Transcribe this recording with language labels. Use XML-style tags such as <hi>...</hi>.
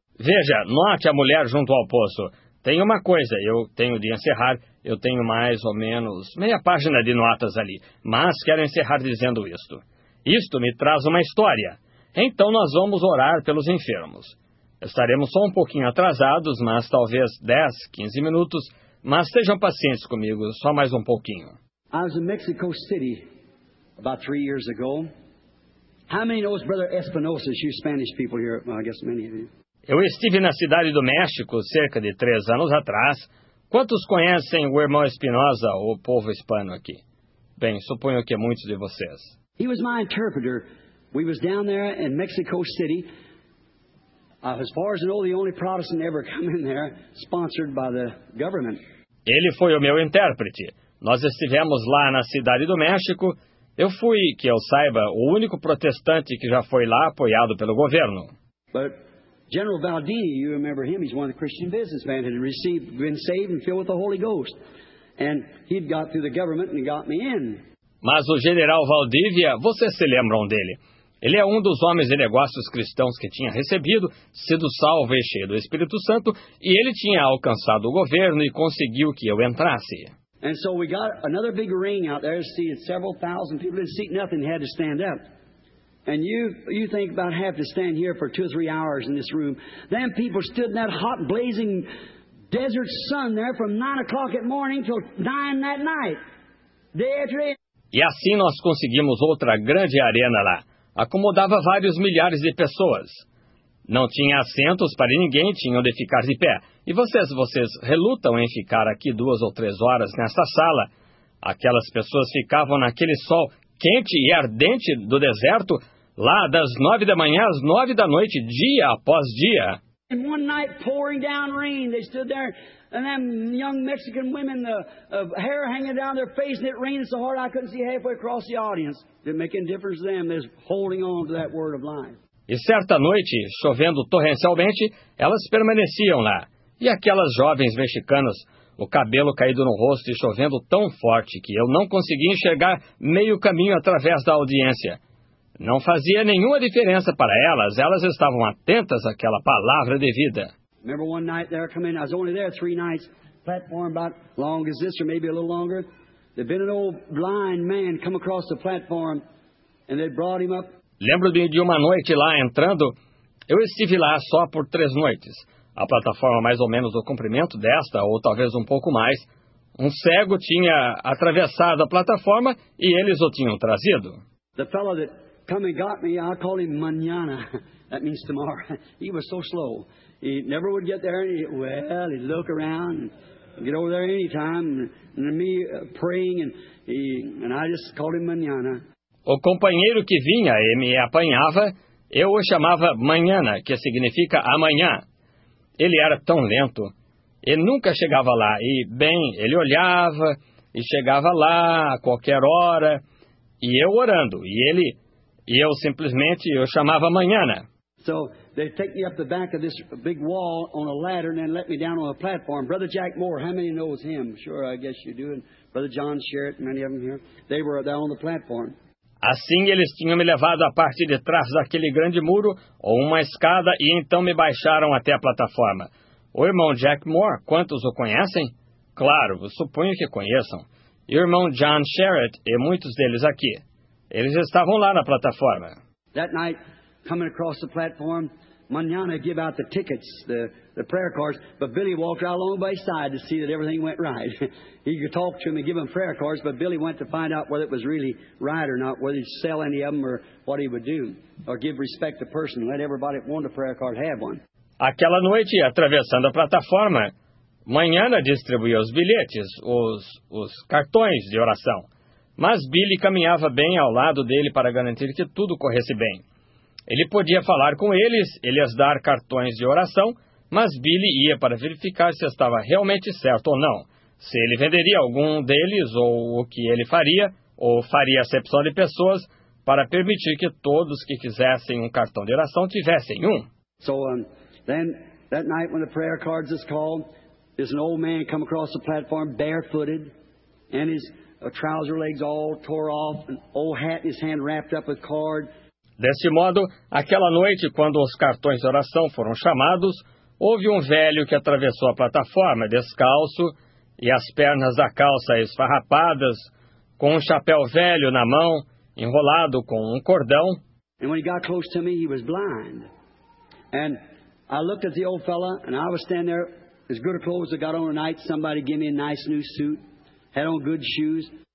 <pt>Veja, note a mulher junto ao poço. Tem uma coisa, eu tenho de encerrar. Eu tenho mais ou menos meia página de notas ali, mas quero encerrar dizendo isto. Isto me traz uma história. Então nós vamos orar pelos enfermos. Estaremos só um pouquinho atrasados, mas talvez 10, 15 minutos. Mas sejam pacientes comigo, só mais um pouquinho.</pt> <en>I was in Mexico City about 3 years ago. How many knows Brother Espinosa? You Spanish people here, well, I guess many of you.</en> <pt>Eu estive na cidade do México cerca de 3 anos atrás. Quantos conhecem o irmão Espinosa, o povo hispano aqui? Bem, suponho que muitos de vocês.</pt> <en>He was my interpreter. We was down there in Mexico City. As far as I know, the only Protestant ever come in there, sponsored by the government.</en> <pt>Ele foi o meu intérprete. Nós estivemos lá na cidade do México. Eu fui, que eu saiba, o único protestante que já foi lá apoiado pelo governo.</pt> <en>But General Valdini, you remember him, he's one of the Christian businessmen, had received, been saved and filled with the Holy Ghost. And he'd got through the government and got me in.</en> <pt>Mas o general Valdivia, vocês se lembram dele? Ele é um dos homens de negócios cristãos que tinha recebido, sido salvo e cheio do Espírito Santo, e ele tinha alcançado o governo e conseguiu que eu entrasse.</pt> <en>And so we got another big ring out there, see, several thousand people didn't see nothing, had to stand up. And you think about having to stand here for two or three hours in this room. Then people stood in that hot, blazing desert sun there from 9 o'clock at morning till 9 that night. Day after day.</en> <pt>E assim nós conseguimos outra grande arena lá. Acomodava vários milhares de pessoas. Não tinha assentos para ninguém, tinham de ficar de pé. E vocês relutam em ficar aqui duas ou três horas nesta sala? Aquelas pessoas ficavam naquele sol quente e ardente do deserto, lá das 9 da manhã às 9 da noite, dia após dia.</pt> <en>And one night pouring down rain, they stood there, and them young Mexican women, the hair hanging down their face, and it rained so hard I couldn't see halfway across the audience. Didn't make any difference to them, they're holding on to that word of life.</en> <pt>E certa noite, chovendo torrencialmente, elas permaneciam lá. E aquelas jovens mexicanas, o cabelo caído no rosto e chovendo tão forte que eu não conseguia enxergar meio caminho através da audiência. Não fazia nenhuma diferença para elas. Elas estavam atentas àquela palavra de vida.</pt> <en>Remember one night there come in, I was only there 3 nights, platform about long as this or maybe a little longer. There'd been an old blind man come across the platform and they brought him up.</en> <pt>Lembro-me de uma noite lá entrando, eu estive lá só por 3 noites. A plataforma mais ou menos do comprimento desta, ou talvez um pouco mais, um cego tinha atravessado a plataforma e eles o tinham trazido.</pt> <en>The fellow that came and got me, I call him Manana. That means tomorrow. He was so slow. He never would get there. He'd look around and get over there anytime. And me praying and I just called him Manana.</en> <pt>O companheiro que vinha e me apanhava, eu o chamava Manana, que significa amanhã. Ele era tão lento, ele nunca chegava lá, e bem, ele olhava e chegava lá a qualquer hora, e eu orando, e eu simplesmente eu chamava Manana.</pt> <en>So they take me up the back of this big wall on a ladder and then let me down on a platform. Brother Jack Moore, how many knows him? Sure, I guess you do, and Brother John Sherritt, many of them here, they were down on the platform.</en> <pt>Assim eles tinham me levado à parte de trás daquele grande muro, ou uma escada, e então me baixaram até a plataforma. O irmão Jack Moore, quantos o conhecem? Claro, suponho que conheçam. E o irmão John Sherritt e muitos deles aqui. Eles estavam lá na plataforma.</pt> <en>That night, coming across the platform, Manana gave out the tickets, the prayer cards, but Billy walked out along by his side to see that everything went right. He could talk to him and give him prayer cards, but Billy went to find out whether it was really right or not, whether he'd sell any of them or what he would do, or give respect to person, let everybody that wanted a prayer card have one.</en> <pt>Aquela noite, atravessando a plataforma, Manana distribuiu os bilhetes, os cartões de oração, mas Billy caminhava bem ao lado dele para garantir que tudo corresse bem. Ele podia falar com eles, eles dar cartões de oração, mas Billy ia para verificar se estava realmente certo ou não, se ele venderia algum deles ou o que ele faria, ou faria acepção de pessoas, para permitir que todos que quisessem um cartão de oração tivessem um.</pt> <en>Então, that night when the prayer cards is called, there's an old man come across the platform barefooted, and his trouser legs all tore off, an old hat in his hand wrapped up with cord.</en> <pt>Desse modo, aquela noite, quando os cartões de oração foram chamados, houve um velho que atravessou a plataforma descalço e as pernas da calça esfarrapadas, com um chapéu velho na mão, enrolado com um cordão.</pt> <en>And when he got close to me, he was blind. And I looked at the old fella, and I was standing there, as good a clothes as I got on tonight, somebody gave me a nice new suit, had on good shoes.</en>